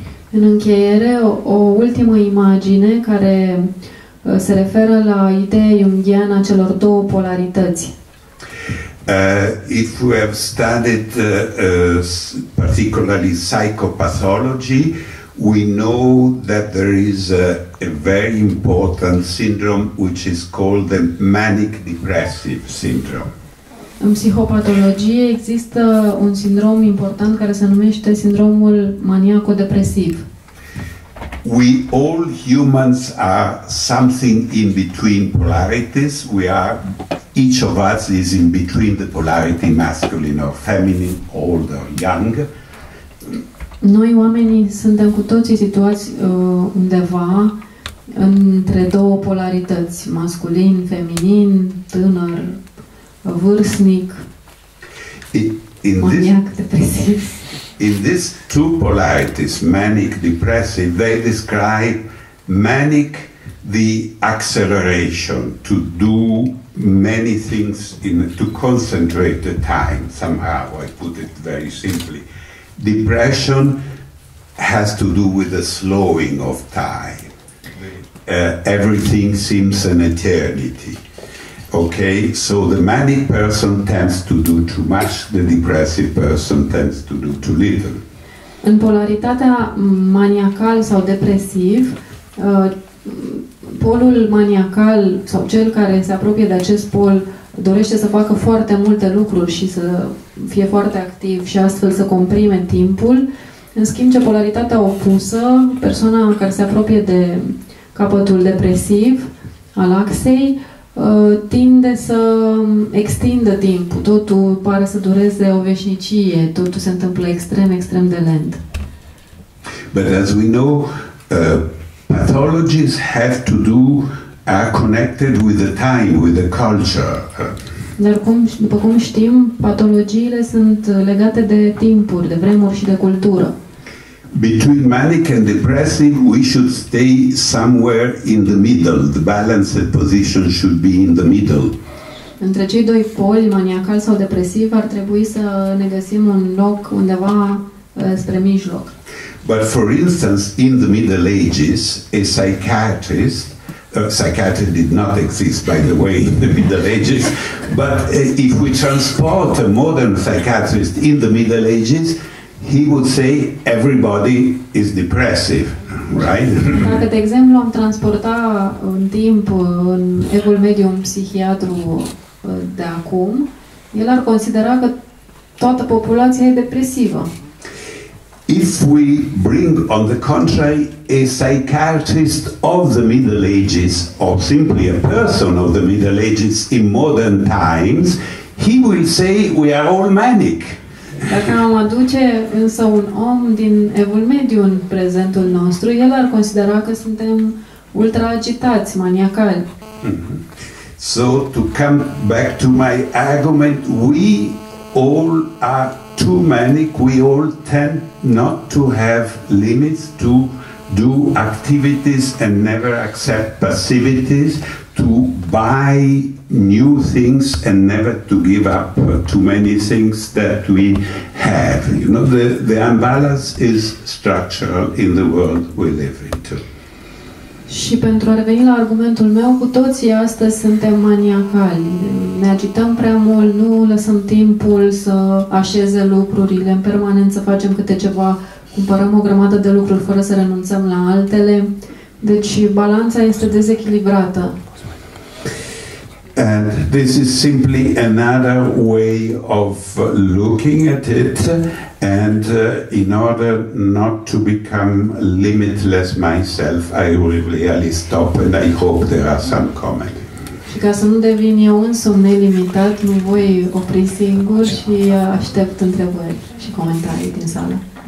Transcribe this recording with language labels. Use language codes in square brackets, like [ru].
[ro] În încheiere, o ultimă imagine care se referă la ideea jungiană a celor două polarități. [en] If we have studied particularly psychopathology, we know that there is a very important syndrome which is called the manic depressive syndrome. [ro] În psihopatologie există un sindrom important care se numește sindromul maniaco-depresiv. [en] We all humans are something in between polarities. We are, each of us is in between the polarity, masculine or feminine, old or young. [ro] Noi oamenii suntem cu toții situați undeva între două polarități, masculin, feminin, tânăr, vârstnic, maniac, depresiv. [en] In these two polarities, manic, depressive, they describe manic the acceleration to do many things, to concentrate the time, somehow, I put it very simply. Depression has to do with the slowing of time. Everything seems an eternity. Okay, so the manic person tends to do too much, the depressive person tends to do too little. [ro] În polaritatea maniacal sau depresiv, polul maniacal sau cel care se apropie de acest pol dorește să facă foarte multe lucruri și să fie foarte activ și astfel să comprime timpul. În schimb, ce polaritatea opusă, persoana care se apropie de capătul depresiv al axei, tinde să extindă timpul. Totul pare să dureze o veșnicie, totul se întâmplă extrem, extrem de lent. [en] But as we know, pathologies have to do, are connected with the time, with the culture. [ro] Dar cum, după cum știm, patologiile sunt legate de timpuri, de vremuri și de cultură. [en] Between manic and depressive, we should stay somewhere in the middle. The balanced position should be in the middle. [ro] Între cei doi poli, maniacal sau depresiv, ar trebui să ne găsim un loc undeva spre mijloc. [en] But for instance, in the Middle Ages, a psychiatrist, psychiatry did not exist, by the way, in the Middle Ages, but if we transport a modern psychiatrist in the Middle Ages, he would say everybody is depressive, right? [ro] Dacă, de exemplu, am transporta în timp, în evul mediu, un psihiatru de acum, el ar considera că toată populația e depresivă. [en] If we bring, on the contrary, a psychiatrist of the Middle Ages, or simply a person of the Middle Ages in modern times, he will say we are all manic. [ro] Dacă am aduce însă un om din evul mediu în prezentul nostru, el ar considera că suntem ultra agitați, maniacali. [en] So, to come back to my argument, we all are too manic, we all tend not to have limits, to do activities and never accept passivities, to buy new things and never to give up too many things that we have. You know, the imbalance is structural in the world we live in too. [ro] Și pentru a reveni la argumentul meu, cu toții astăzi suntem maniacali. Ne agităm prea mult, nu lăsăm timpul să așeze lucrurile, în permanență facem câte ceva, cumpărăm o grămadă de lucruri fără să renunțăm la altele. Deci balanța este dezechilibrată. [en] And this is simply another way of looking at it, and in order not to become limitless myself, I will really stop, and I hope there are some comments. [ro] Și ca să nu devin eu însumi nelimitat, mă voi opri singur și aștept întrebări și comentarii din sală.